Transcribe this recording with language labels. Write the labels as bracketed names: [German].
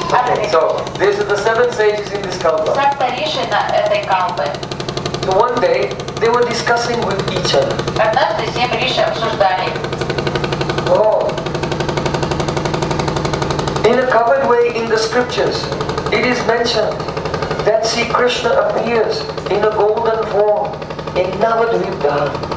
[English] Okay, so these are the seven sages in this kalpa. [Russian] Сапта Риши на этой kalpa. [English] So one day they were discussing with each other. [Russian] Однажды семь Риши обсуждали. [English] In a covered way in the scriptures, it is mentioned that Sri Krishna appears in a golden form in Navadvipa.